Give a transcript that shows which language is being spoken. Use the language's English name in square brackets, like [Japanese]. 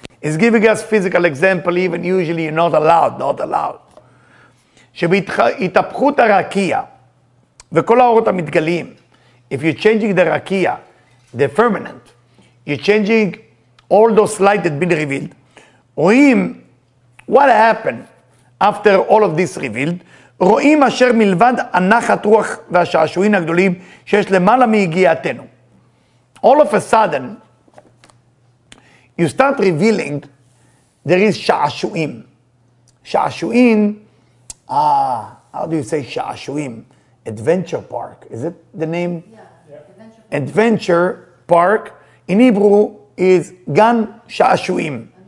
[English] He's giving us physical example, even usually you're not allowed, not allowed. [Hebrew] שבהתהפכות הרקיה, וכל האורות המתגלים, [English] if you're changing the rakia, the firmament, you're changing all those light that's been revealed, רואים, what happened? After all of this revealed, [Hebrew] רואים אשר מלבד הנחת רוח והשעשועים הגדולים שיש למעלה מהגיעתנו. [English] All of a sudden, you start revealing there is שעשועים. שעשועים, how do you say שעשועים? Adventure park, is it the name? Yeah. Adventure park, in Hebrew, is גן שעשועים.